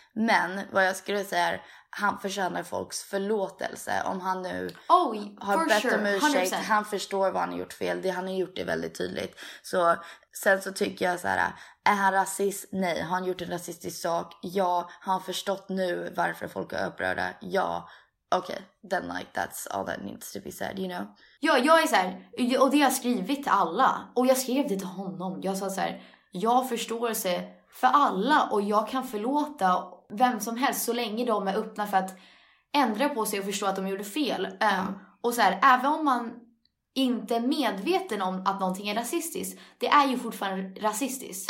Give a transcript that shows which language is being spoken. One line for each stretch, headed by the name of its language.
Swedish: Men vad jag skulle säga är, han förtjänar folks förlåtelse. Om han nu har bett om ursäkt. Han förstår vad han har gjort fel. Det, han har gjort det väldigt tydligt. Så sen så tycker jag så här, är han rasist? Nej. Har han gjort en rasistisk sak? Ja. Har han förstått nu varför folk är upprörda? Ja. Okej. Okay.
English: Then like that's all that needs to be said, you know?
Swedish: Ja, jag är så här, och det har jag skrivit till alla. Och jag skrev det till honom. Jag sa så här, jag förstår sig för alla och jag kan förlåta vem som helst så länge de är öppna för att ändra på sig och förstå att de gjorde fel. Mm. Och så här, även om man inte är medveten om att någonting är rasistiskt, det är ju fortfarande rasistiskt.